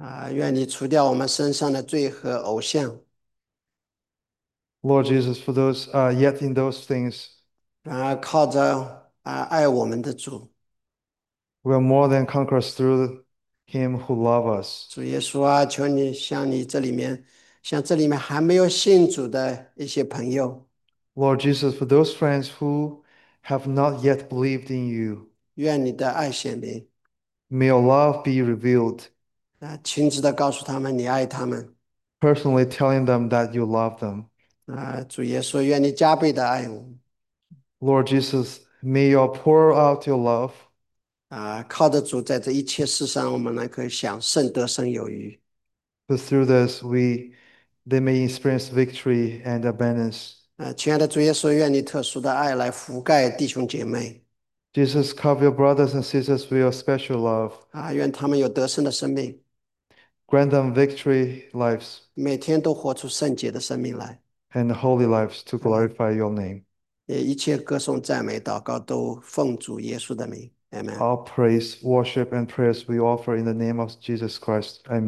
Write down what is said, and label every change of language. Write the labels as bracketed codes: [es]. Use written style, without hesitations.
[zh] 愿你除掉我们身上的罪和偶像。 [en] Lord Jesus, for those yet in those things, [zh] 然而，靠着爱我们的主， [en] we are more than conquerors through Him who loves us. [zh] 主耶稣啊，求你像你这里面，像这里面还没有信主的一些朋友， [en] Lord Jesus, for those friends who have not yet believed in you, [zh] 愿你的爱显灵。 [en] may your love be revealed, [zh] 亲自的告诉他们，你爱他们。 [en] personally telling them that you love them. [zh] 主耶稣，愿你加倍的爱我。 [en] Lord Jesus, may you pour out your love. [zh] 靠得住，在这一切事上，我们能够享胜得胜有余。 [en] But through this, they may experience victory and abundance. [zh] 亲爱的主耶稣，愿你特殊的爱来覆盖弟兄姐妹。 [en] Jesus, cover your brothers and sisters with your special love. [zh] 愿他们有得胜的生命。 [en] Grant them victory lives [zh] 每天都活出圣洁的生命来， [en] and holy lives to [zh] 阿门。 [en] glorify your name. [zh] 也一切歌颂、赞美、祷告都奉主耶稣的名，阿门。 [en] All praise, worship, and prayers we offer in the name of Jesus Christ. Amen.